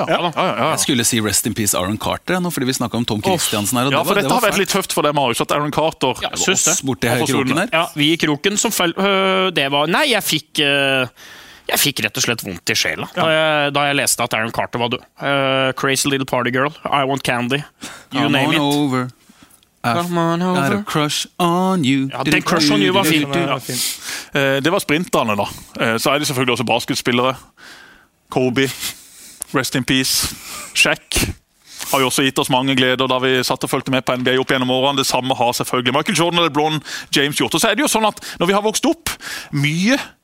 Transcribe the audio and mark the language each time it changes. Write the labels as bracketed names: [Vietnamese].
[Norwegian] Jeg skulle si [English] rest in peace [Norwegian] Aaron Carter, nå, fordi vi snakket om Tom Christiansen her. Ja, for dette har vært litt tøft for deg, Marius, at Aaron Carter var oss borte her i kroken her. Ja, vi i kroken som det var... Nei, jeg fikk... Jeg fikk rett og slett vondt i sjela da jeg leste at Aaron Carter var du. [English] Crazy little party girl, I want candy, you come name it. Over. Come on over, got a crush on you. [Norwegian] Ja, den [English] crush on you [Norwegian] var fint. Ja. Det var sprinterne da. Så er det selvfølgelig også basketspillere. Kobe, [English] rest in peace. [Norwegian] Shaq har jo også gitt oss mange gleder da vi satt og følte med på NBA opp gjennom årene. Det samme har selvfølgelig Michael Jordan eller LeBron James gjort. Og så er det jo sånn at når vi har vokst opp, mye...